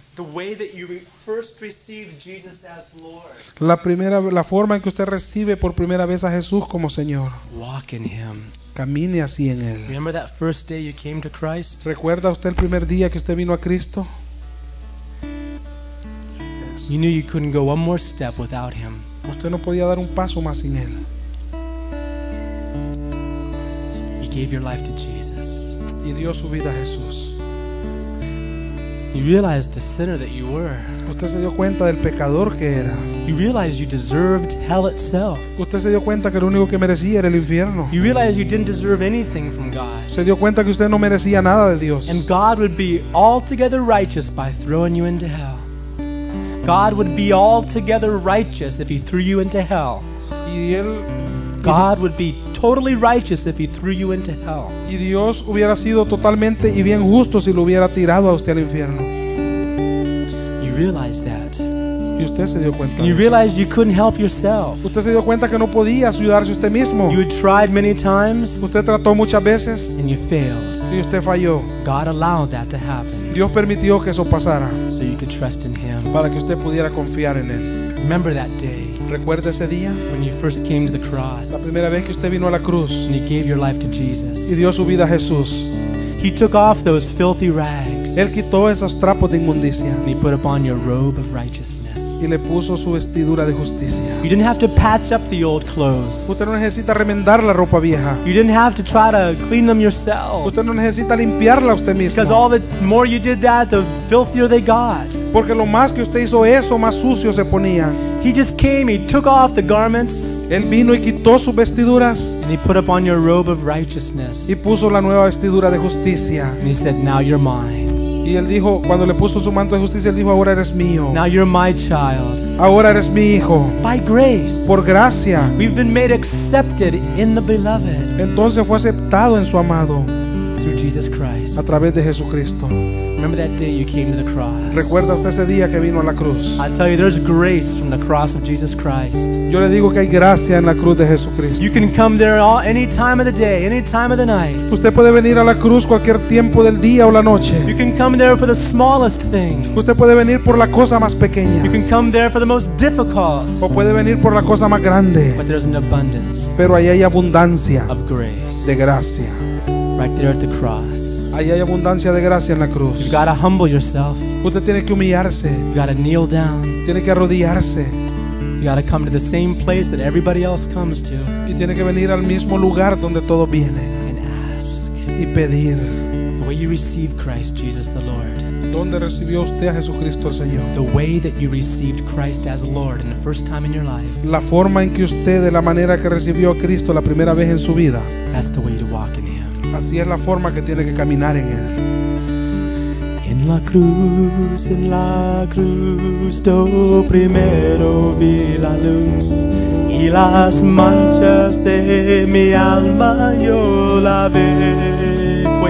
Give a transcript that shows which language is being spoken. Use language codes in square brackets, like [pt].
[en] The way that you first received Jesus as Lord. [es] La forma en que usted recibe por primera vez a Jesús como Señor. [en] Walk in him. [es] Camine así en él. [en] Remember that first day you came to Christ? [es] ¿Recuerda usted el primer día que usted vino a Cristo? [en] You knew you couldn't go one more step without him. [es] Usted no podía dar un paso más sin él. [en] You gave your life to Jesus. [es] Y dio su vida a Jesús. [en] You realized the sinner that you were. [es] Usted se dio cuenta del pecador que era. [en] You realized you deserved hell itself. [es] Usted se dio cuenta que lo único que merecía era el infierno. [en] You realized you didn't deserve anything from God. [es] Se dio cuenta que usted no merecía nada de Dios. [en] And God would be altogether righteous by throwing you into hell. God would be altogether righteous if he threw you into hell. God would be totally righteous if he threw you into hell. [es] Y Dios hubiera sido totalmente y bien justo si lo hubiera tirado a usted al infierno. [en] You realize that. [es] Y usted se dio cuenta. [en] And you realized you couldn't help yourself. [es] Usted se dio cuenta que no podía ayudarse usted mismo. [en] You tried many times. [es] Usted trató muchas veces. [en] And you failed. [es] Y usted falló. [en] God allowed that to happen. [es] Dios permitió que eso pasara. [en] So you could trust in him. [es] Para que usted pudiera confiar en él. [en] Remember that day. [es] Recuerde ese día. [en] When you first came to the cross. [es] La primera vez que usted vino a la cruz. [en] And you gave your life to Jesus. [es] Y dio su vida a Jesús. [en] He took off those filthy rags. [es] Él quitó esos trapos de inmundicia. [en] And he put upon your robe of righteousness. [es] Y le puso su vestidura de justicia. [en] You didn't have to patch up the old clothes. [es] Usted no necesita remendar la ropa vieja. [en] You didn't have to try to clean them yourself. [es] Usted no necesita limpiarla usted mismo. [en] Because all the more you did that, the filthier they got. [es] Porque lo más que usted hizo eso, más sucio se ponía. [en] He just came, he took off the garments. [es] Él vino y quitó sus vestiduras. [en] And he put upon your robe of righteousness. [es] Y puso la nueva vestidura de justicia. [en] And he said, now you're mine. [es] Y él dijo, cuando le puso su manto de justicia, él dijo, ahora eres mío. [en] Now you're my child. [es] Ahora eres mi hijo. [en] By grace. [es] Por gracia. [en] We've been made accepted in the beloved. [es] Entonces fue aceptado en su amado. [en] Through Jesus Christ. [es] A través de Jesucristo. [en] Remember that day you came to the cross. [es] ¿Recuerda usted ese día que vino a la cruz? [en] I tell you, there's grace from the cross of Jesus Christ. [es] Yo le digo que hay gracia en la cruz de Jesucristo. [en] You can come there any time of the day, any time of the night. [es] Usted puede venir a la cruz cualquier tiempo del día o la noche. [en] You can come there for the smallest things. [es] Usted puede venir por la cosa más pequeña. [en] You can come there for the most difficult. [es] O puede venir por la cosa más grande. [en] But there's an abundance. [es] Pero ahí hay abundancia. [en] Of grace. [es] De gracia. [en] Right there at the cross. [es] Ahí hay abundancia de gracia en la cruz. [en] You've got to humble yourself. [es] Usted tiene que humillarse. [en] You've got to kneel down. [es] Tiene que arrodillarse. [en] You got to come to the same place that everybody else comes to. [es] Y tiene que venir al mismo lugar donde todo viene. [en] And ask. [es] Y pedir. [en] The way you received Christ Jesus the Lord. [es] ¿Dónde recibió usted a Jesucristo el Señor? [en] The way that you received Christ as Lord in the first time in your life. [es] La forma en que usted, de la manera que recibió a Cristo la primera vez en su vida. [en] That's the way to walk in him. [es] Así es la forma que tiene que caminar en él. En la cruz, yo primero vi la luz y las manchas de mi alma yo lavé.